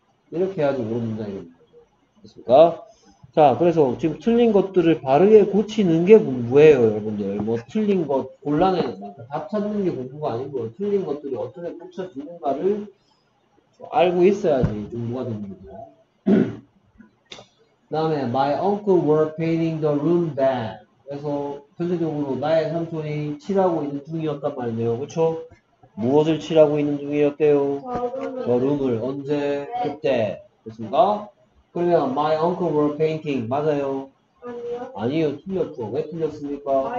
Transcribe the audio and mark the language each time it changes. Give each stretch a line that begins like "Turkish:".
Korean: 이렇게 해야지 옳은 문장입니다. 됐습니까? 자, 그래서 지금 틀린 것들을 바르게 고치는 게 공부예요, 여러분들. 뭐 틀린 것, 곤란해. 답 찾는 게 공부가 아니고 틀린 것들이 어떻게 고쳐지는가를 알고 있어야지 공부가 됩니다.
English: 다음에 my uncle were painting the room bad.
Korean: 그래서 현재적으로 나의 삼촌이 칠하고 있는 중이었단 말이네요. 그쵸? 무엇을 칠하고 있는 중이었대요? 저룸을. 언제? 네. 그때. 됐습니까? 그러면
English: my uncle were painting
Korean: 맞아요? 아니요. 아니요. 틀렸죠. 왜 틀렸습니까?